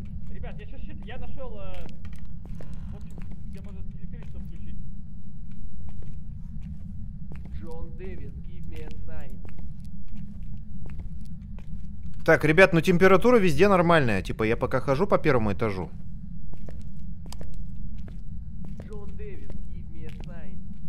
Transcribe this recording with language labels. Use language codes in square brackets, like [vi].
[ru] Ребят, я сейчас щит, я нашел, в общем, где можно электричество включить. [en] Джон Дэвис, give me a sign. [ru] Так, ребят, ну температура везде нормальная, типа я пока хожу по первому этажу. [en] Джон Дэвис, give me a sign.